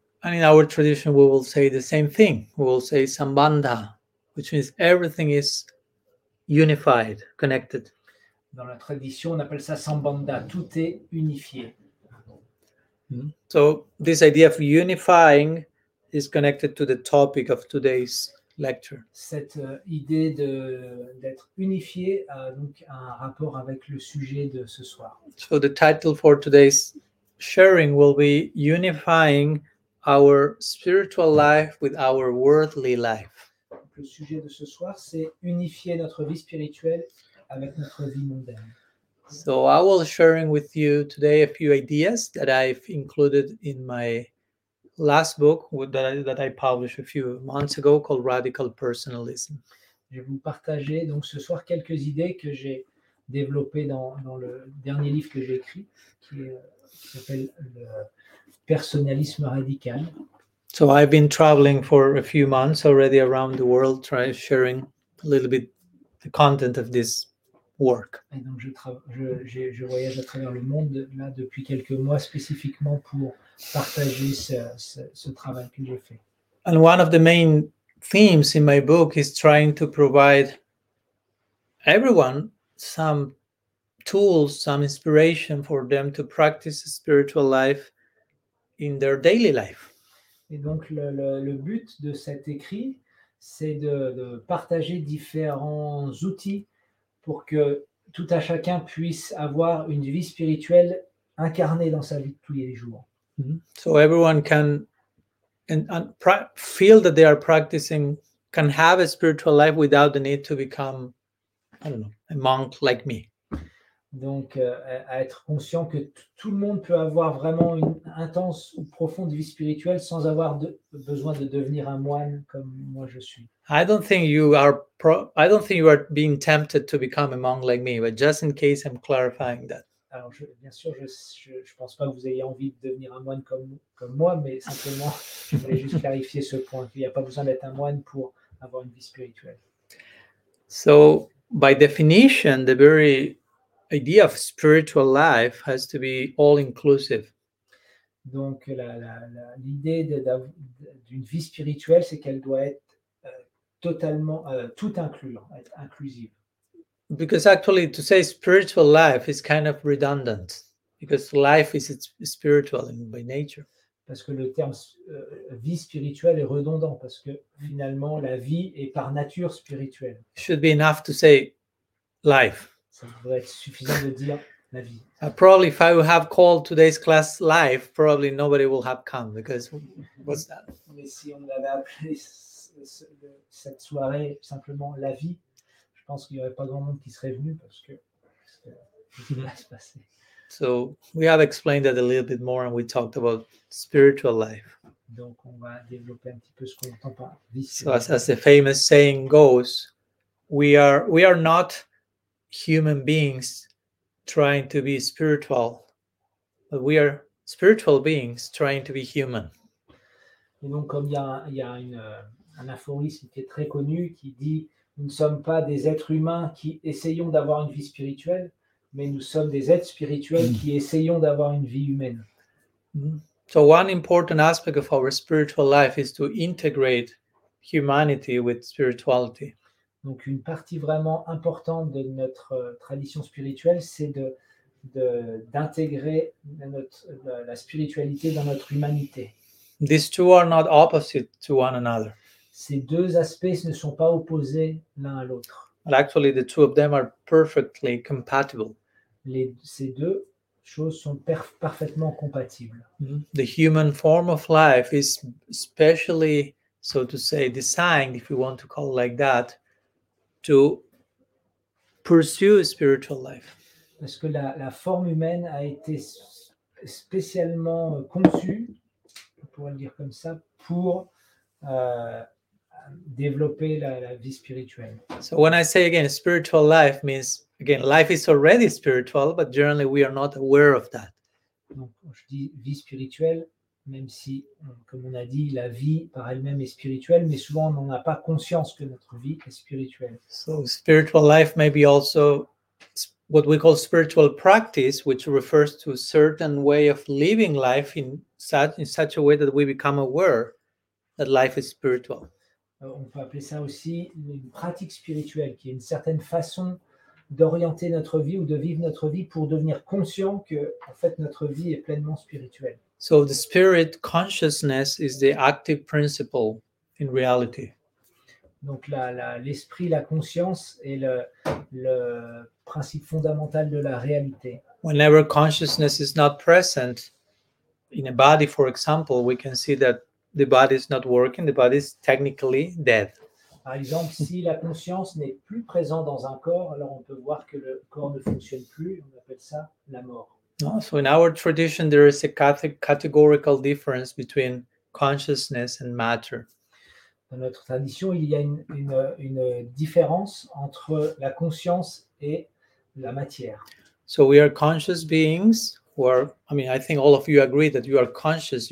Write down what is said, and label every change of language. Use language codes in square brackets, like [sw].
[en] And in our tradition, we will say the same thing. We will say sambandha, which means everything is unified, connected. [fr] Dans la tradition, on appelle ça sambandha. Tout est unifié. [en] So this idea of unifying is connected to the topic of today's lecture. [fr] Cette idée d'être unifié a donc un rapport avec le sujet de ce soir. [en] So the title for today's sharing will be unifying our spiritual life with our worldly life. [fr] Le sujet de ce soir, c'est unifier notre vie spirituelle avec notre vie mondaine. [en] So I will sharing with you today a few ideas that I've included in my last book that I published a few months ago called Radical Personalism. [fr] Je vais vous partager donc ce soir quelques idées que j'ai développées dans le dernier livre que j'ai écrit qui s'appelle le personnalisme radical. [en] So I've been traveling for a few months already around the world trying sharing a little bit the content of this work. [fr] Et donc je voyage à travers le monde là depuis quelques mois spécifiquement pour partager ce travail que j'ai fait. [en] And one of the main themes in my book is trying to provide everyone some tools, some inspiration for them to practice spiritual life in their daily life. [fr] Et donc le but de cet écrit, c'est de partager différents outils pour que tout un chacun puisse avoir une vie spirituelle incarnée dans sa vie de tous les jours. [en] So everyone can feel that they are practicing, can have a spiritual life without the need to become, I don't know, a monk like me. [fr] Donc, à être conscient que tout le monde peut avoir vraiment une intense ou profonde vie spirituelle sans avoir besoin de devenir un moine comme moi je suis. [en] I don't think you are being tempted to become a monk like me, but just in case, I'm clarifying that. [fr] Alors, bien sûr, je pense pas que vous ayez envie de devenir un moine comme moi, mais simplement, je voulais juste clarifier ce point. Il n'y a pas besoin d'être un moine pour avoir une vie spirituelle. [en] So, by definition, the very idea of spiritual life has to be all inclusive. [fr] Donc la l'idée d'une vie spirituelle, c'est qu'elle doit être totalement tout incluant, être inclusive. [en] Because actually to say spiritual life is kind of redundant because life is spiritual by nature. [fr] Parce que le terme vie spirituelle est redondant parce que finalement la vie est par nature spirituelle. [en] It should be enough to say life. [fr] Ça devrait être suffisant de dire la vie. [en] Probably if I would have called today's class life, probably nobody will have come because what's that? [fr] Mais si on avait appelé cette soirée simplement la vie, je pense qu'il n'y aurait pas grand monde qui serait venu parce que qu'est-ce qui va se passer? [en] So we have explained that a little bit more and we talked about spiritual life. [fr] Donc on va développer un petit peu ce qu'on entend par vie. [en] So as the famous saying goes, we are not human beings trying to be spiritual, but we are spiritual beings trying to be human. [fr] Et donc, comme il y a un aphorisme qui est très connu qui dit nous ne sommes pas des êtres humains qui essayons d'avoir une vie spirituelle, mais nous sommes des êtres spirituels qui essayons d'avoir une vie humaine. [en] So one important aspect of our spiritual life is to integrate humanity with spirituality. [fr] Donc, une partie vraiment importante de notre tradition spirituelle, c'est d'intégrer la spiritualité dans notre humanité. [en] These two are not opposite to one another. [fr] Ces deux aspects ne sont pas opposés l'un à l'autre. [en] But actually, the two of them are perfectly compatible. [fr] Ces deux choses sont parfaitement compatibles. Mm-hmm. [en] The human form of life is specially, so to say, designed, if you want to call it like that, to pursue spiritual life. [fr] Parce que la forme humaine a été spécialement conçue, on pourrait le dire comme ça, pour développer la vie spirituelle. [en] So when I say again, spiritual life means, again, life is already spiritual, but generally we are not aware of that. [fr] Donc, je dis vie spirituelle, même si, comme on a dit, la vie par elle-même est spirituelle, mais souvent on n'en a pas conscience que notre vie est spirituelle. [en] So spiritual life may be also what we call spiritual practice, which refers to a certain way of living life in such a way that we become aware that life is spiritual. [fr] On peut appeler ça aussi une pratique spirituelle, qui est une certaine façon d'orienter notre vie ou de vivre notre vie pour devenir conscient que, en fait, notre vie est pleinement spirituelle. [en] So the spirit consciousness is the active principle in reality. [fr] Donc l'esprit, la conscience est le principe fondamental de la réalité. [en] Whenever consciousness is not present in a body, for example, we can see that the body is not working, the body is technically dead. [fr] Par exemple, si la conscience n'est plus présente dans un corps, alors on peut voir que le corps ne fonctionne plus, on appelle ça la mort. [en] So in our tradition, there is a categorical difference between consciousness and matter. [fr] Dans notre tradition, il y a une différence entre la conscience et la matière. [en] So we are conscious beings. I think all of you agree that you are conscious.